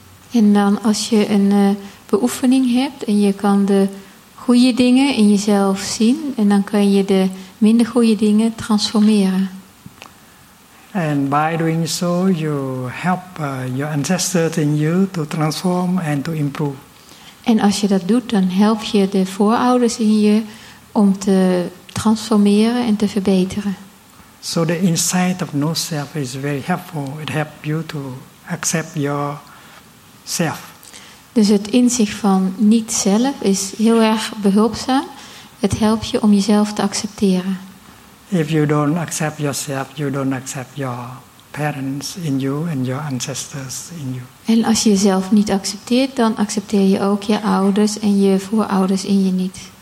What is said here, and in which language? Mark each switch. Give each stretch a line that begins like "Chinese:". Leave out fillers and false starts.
Dutch: En dan als je een beoefening hebt en je kan de goede dingen in jezelf zien, en dan kan je de minder goede dingen transformeren.
English: And by doing so, you help your ancestors in you to transform and to improve.
Dutch: En als je dat doet, dan help je de voorouders in je om te transformeren en te verbeteren.
English: So the insight of no self is very helpful. It helps you to accept yourself.
Dutch: Dus het inzicht van niet zelf is heel erg behulpzaam. Het helpt je om jezelf te accepteren.
English: If you don't accept yourself, you don't accept your parents in you and your ancestors in you.
Dutch: En als je jezelf niet accepteert, dan accepteer je ook je ouders en je voorouders in je niet.